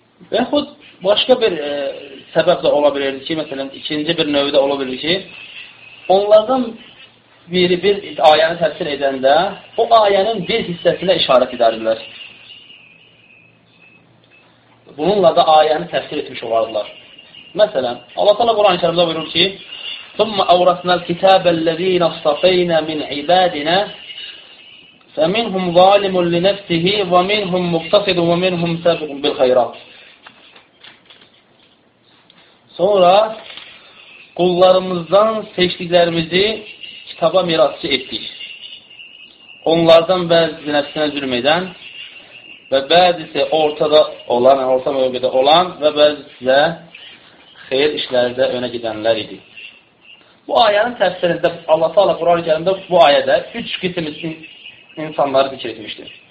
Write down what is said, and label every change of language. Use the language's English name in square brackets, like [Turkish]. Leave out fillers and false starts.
[Azerbaijani] Və yaxud başqa bir səbəb də ola bilərdi ki, məsələn, ikinci bir növdə ola bilir ki, onlardan biri bir ayəni təfsir edəndə o ayənin bir hissəsinə işarət edərdilər. Bununla da ayəni təfsir etmiş olardılar. Məsələn, Allah təala Qur'an-ı Kerimdə buyurur ki, [Arabic] ثُمَّ أَوْرَثْنَا الْكِتَابَ الَّذِينَ اصْطَفَيْنَا مِنْ عِبَادِنَا فَمِنْهُمْ ظَالِمٌ لِنَفْسِهِ وَمِنْهُمْ مُقْتَصِدٌ وَمِنْهُمْ سَابِقٌ بِالْخَيْرَاتِ. [Azerbaijani] Sonra qullarımızdan seçtiklerimizi kitaba mirasçı ettik. Onlardan bəzisi nəfsinə zülm edən və bəzisi ortada olan, orta mövqedə olan və bəzisi də xeyir işlərdə önə gedənlər idi. Bu ayənin təfsirində Allah Taala Qur'an-ı Kerimdə bu ayədə üç qism insanları zikr etmişdir.